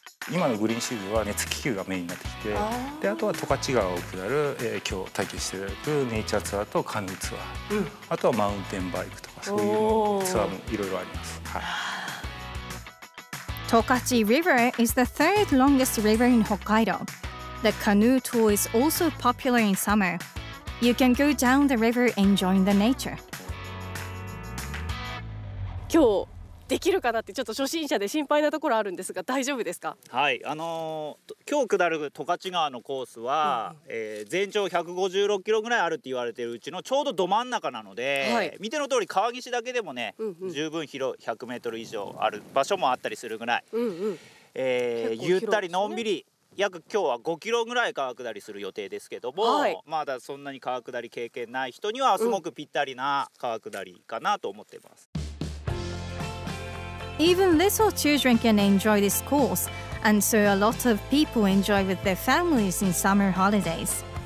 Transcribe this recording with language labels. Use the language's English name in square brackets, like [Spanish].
[Japanese] 今のグリーンシーズンは熱気球がメインになってきて、あ、であとは十勝川を下る、今日体験していただくネイチャーツアーとカヌーツアー、うん、あとはマウンテンバイクとかそういうツアーもいろいろあります。 [English] 十勝 River is the third longest river in Hokkaido. The canoe tour is also popular in summer. You can go down the river enjoying the nature. [Japanese] 今日できるかなってちょっと初心者で心配なところあるんですが大丈夫ですか？はい、今日下る十勝川のコースは、全長156キロぐらいあるって言われているうちのちょうどど真ん中なので、はい、見ての通り川岸だけでもね、うんうん、十分広い100メートル以上ある場所もあったりするぐらい、うんうん、ゆったりのんびり約今日は5キロぐらい川下りする予定ですけども、はい、まだそんなに川下り経験ない人にはすごくぴったりな川下りかなと思ってます。 [English] Even little children can enjoy this course, and so a lot of people enjoy with their families in summer holidays.